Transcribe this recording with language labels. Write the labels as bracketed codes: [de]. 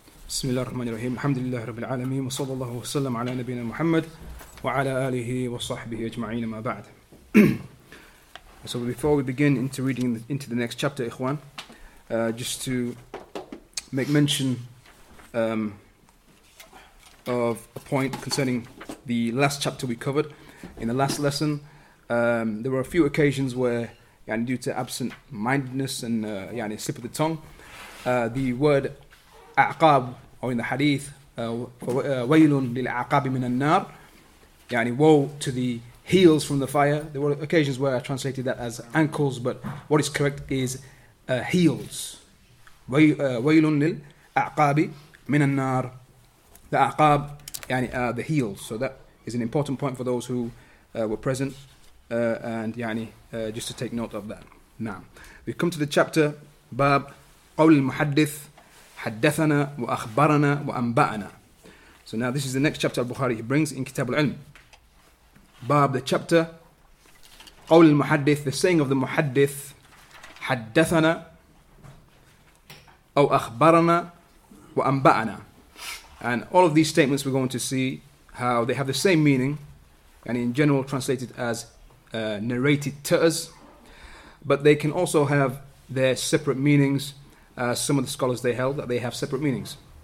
[ar] بسم الله الرحمن الرحيم الحمد لله رب العالمين وصلى الله وسلم على نبينا محمد وعلى آله وصحبه أجمعين ما بعد. [en] So before we begin into reading into the next chapter, إخوان, just to make mention of a point concerning the last chapter we covered in the last lesson. There were a few occasions where, يعني, due to absent-mindedness and يعني, slip of the tongue, the word أعقاب, or in the hadith, [ar] وَيْلٌ لِلْعَقَابِ مِنَ النَّارِ, [en] يعني, woe to the heels from the fire. There were occasions where I translated that as ankles, but what is correct is heels. [ar] وَيْلٌ لِلْعَقَابِ مِنَ النَّارِ. [en] The أعقاب, يعني, the heels. So that is an important point for those who were present. And يعني, just to take note of that. Now, we come to the chapter, [ar] باب قول المحدث حدثنا وأخبرنا وأنبأنا. [en] So now this is the next chapter Al-Bukhari he brings in Kitab al-Ilm. [ar] باب, [en] the chapter, [ar] قول المحدث, [en] the saying of the [ar] محدث, حدثنا أو أخبرنا وأنبأنا. [en] And all of these statements we're going to see how they have the same meaning, and in general translated as narrated to us, but they can also have their separate meanings. Some of the scholars they held that they have separate meanings.